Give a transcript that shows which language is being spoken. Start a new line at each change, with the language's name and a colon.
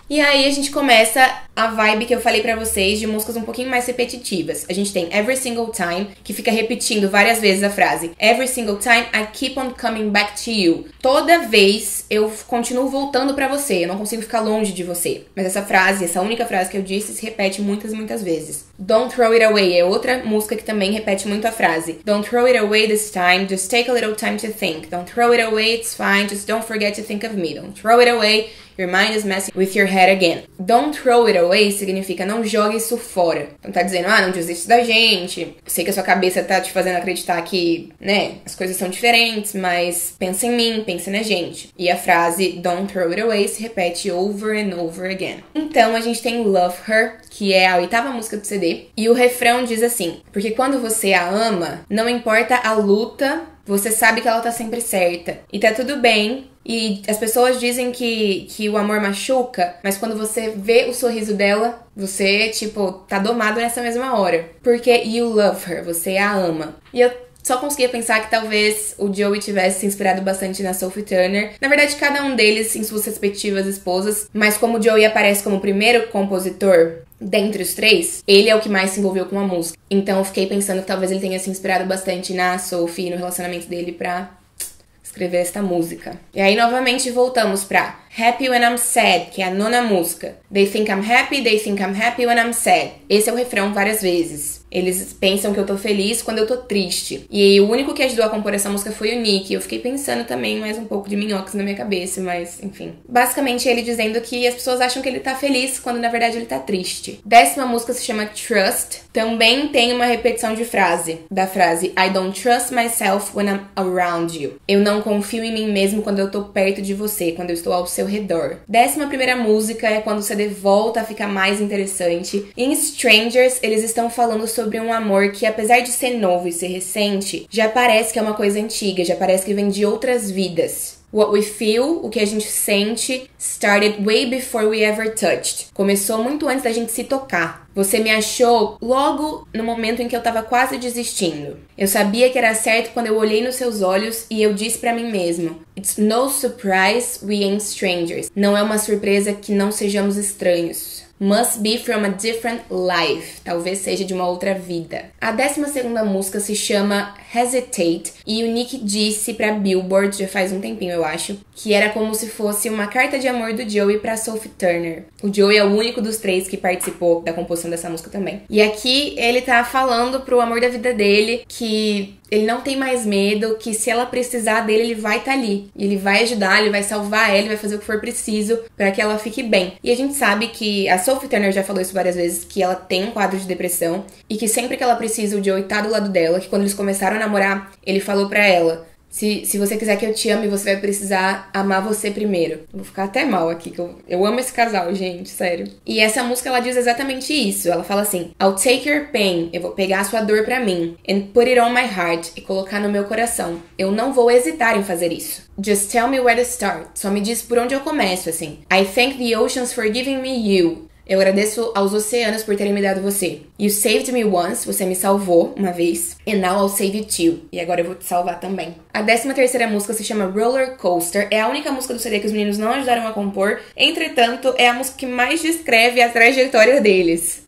Portuguese: E aí, a gente começa a vibe que eu falei pra vocês de músicas um pouquinho mais repetitivas. A gente tem
English: Every Single Time, que fica repetindo várias vezes a frase: Every Single Time I Keep on Coming Back to You.
Portuguese: Toda vez eu continuo voltando pra você, eu não consigo ficar longe de você. Mas essa frase, essa única frase que eu disse, se repete muitas, muitas vezes.
English: Don't Throw It Away
Portuguese: é outra música que também repete muito a frase:
English: Don't Throw It Away This Time, Just Take a Little Time to Think. Don't Throw It Away, It's Fine, Just Don't Forget to Think of Me. Don't Throw It Away. Your mind is messing with your head again.
Portuguese: Don't throw it away significa não jogue isso fora. Então tá dizendo, ah, não desiste da gente. Sei que a sua cabeça tá te fazendo acreditar que, né, as coisas são diferentes, mas pensa em mim, pensa na gente. E a frase
English: don't throw it away
Portuguese: se repete
English: over and over again.
Portuguese: Então a gente tem Love Her, que é a oitava música do CD. E o refrão diz assim: porque quando você a ama, não importa a luta, você sabe que ela tá sempre certa. E tá tudo bem. E as pessoas dizem que o amor machuca, mas quando você vê o sorriso dela, você, tipo, tá domado nessa mesma hora. Porque
English: you love her,
Portuguese: você a ama. E eu só conseguia pensar que talvez o Joey tivesse se inspirado bastante na Sophie Turner. Na verdade, cada um deles em suas respectivas esposas. Mas como o Joey aparece como o primeiro compositor dentre os três, ele é o que mais se envolveu com a música. Então eu fiquei pensando que talvez ele tenha se inspirado bastante na Sophie e no relacionamento dele pra escrever esta música. E aí, novamente, voltamos pra Happy When I'm Sad, que é a nona música.
English: They think I'm happy when I'm sad.
Portuguese: Esse é o refrão várias vezes. Eles pensam que eu tô feliz quando eu tô triste. E aí, o único que ajudou a compor essa música foi o Nick. Eu fiquei pensando também mais um pouco de minhocas na minha cabeça, mas enfim. Basicamente, ele dizendo que as pessoas acham que ele tá feliz quando na verdade ele tá triste. Décima música se chama Trust. Também tem uma repetição de frase, da frase
English: I don't trust myself when I'm around you.
Portuguese: Eu não confio em mim mesmo quando eu tô perto de você, quando eu estou ao seu redor. 11ª música é quando o CD volta a ficar mais interessante. Em Strangers, eles estão falando sobre um amor que, apesar de ser novo e ser recente, já parece que é uma coisa antiga, já parece que vem de outras vidas.
English: What we feel,
Portuguese: o que a gente sente,
English: started way before we ever touched.
Portuguese: Começou muito antes da gente se tocar. Você me achou logo no momento em que eu tava quase desistindo. Eu sabia que era certo quando eu olhei nos seus olhos e eu disse para mim mesmo:
English: It's no surprise we ain't strangers.
Portuguese: Não é uma surpresa que não sejamos estranhos.
English: Must be from a different life.
Portuguese: Talvez seja de uma outra vida. A 12ª música se chama Hesitate e o Nick disse pra Billboard, já faz um tempinho, eu acho, que era como se fosse uma carta de amor do Joey pra Sophie Turner. O Joey é o único dos três que participou da composição dessa música também. E aqui ele tá falando pro amor da vida dele que ele não tem mais medo, que se ela precisar dele, ele vai estar ali. Ele vai ajudar, ele vai salvar ela, ele vai fazer o que for preciso para que ela fique bem. E a gente sabe que a Sophie Turner já falou isso várias vezes, que ela tem um quadro de depressão e que sempre que ela precisa, o Joey tá do lado dela, que quando eles começaram a namorar, ele falou para ela: Se você quiser que eu te ame, você vai precisar amar você primeiro. Vou ficar até mal aqui, que eu amo esse casal, gente, sério. E essa música, ela diz exatamente isso. Ela fala assim:
English: I'll take your pain,
Portuguese: eu vou pegar a sua dor pra mim,
English: and put it on my heart,
Portuguese: e colocar no meu coração. Eu não vou hesitar em fazer isso.
English: Just tell me where to start.
Portuguese: Só me diz por onde eu começo, assim.
English: I thank the oceans for giving me you.
Portuguese: Eu agradeço aos oceanos por terem me dado você.
English: You saved me once,
Portuguese: você me salvou uma vez.
English: And now I'll save you too.
Portuguese: E agora eu vou te salvar também. A 13ª música se chama Roller Coaster. É a única música do CD que os meninos não ajudaram a compor. Entretanto, é a música que mais descreve a trajetória deles.